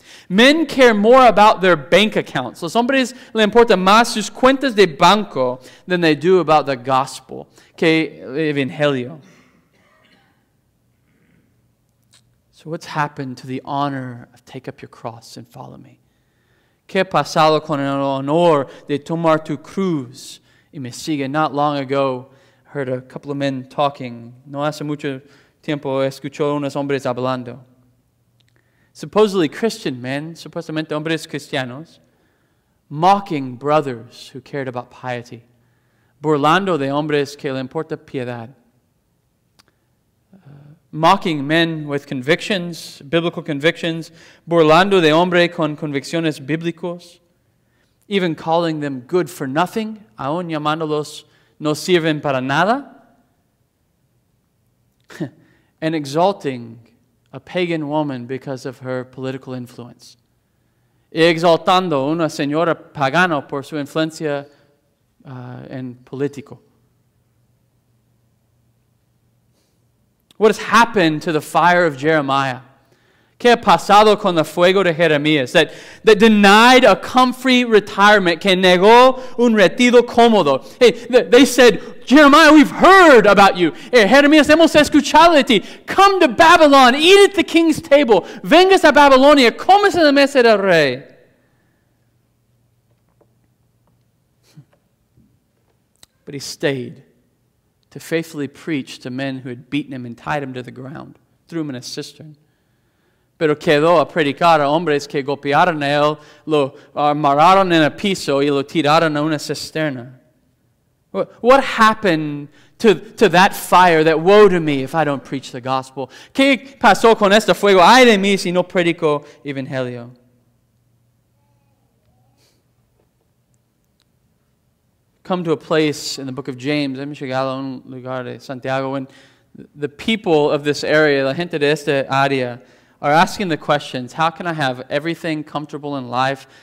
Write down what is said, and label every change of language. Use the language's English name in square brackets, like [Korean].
[English] Men care more about their bank accounts. [Spanish] Los hombres le importan más sus cuentas de banco [English] than they do about the gospel, [Spanish] que evangelio. [English] So what's happened to the honor of take up your cross and follow me? [Spanish] ¿Qué ha pasado con el honor de tomar tu cruz y me sigue. [English] Not long ago, I heard a couple of men talking. [Spanish] No hace mucho tiempo, escuchó unos hombres hablando. [English] Supposedly Christian men, [Spanish] supuestamente hombres cristianos, [English] mocking brothers who cared about piety, [Spanish] burlando de hombres que le importa piedad, [English] mocking men with convictions, biblical convictions, [Spanish] burlando de hombre con convicciones bíblicos, [English] even calling them good for nothing, [Spanish] aun llamándolos no sirven para nada, [English] and exalting a pagan woman because of her political influence. [Spanish] Y exaltando una señora pagana por su influencia en político. [English] What has happened to the fire of Jeremiah? [Spanish] ¿Qué ha pasado con el fuego de Jeremías? [English] That denied a comfy retirement, [Spanish] que negó un retiro cómodo. [English] Hey, they said, Jeremiah, we've heard about you. [Spanish] Jeremías, hemos escuchado de ti. [English] Come to Babylon, eat at the king's table. [Spanish] Vengas a Babilonia, comas en la mesa del rey. [English] But he stayed to faithfully preach to men who had beaten him and tied him to the ground, threw him in a cistern. [Spanish] Pero quedó a predicar a hombres que golpearon a él, lo amarraron en el piso y lo tiraron a una cisterna. [English] What happened to that fire, that woe to me if I don't preach the gospel? [Spanish] ¿Qué pasó con este fuego? Ay de mí si no predico evangelio. [English] Come to a place in the book of James, [Spanish] hemos llegado a un lugar de Santiago, [English] when the people of this area, [Spanish] la gente de esta área, [English] are asking the questions, how can I have everything comfortable in life?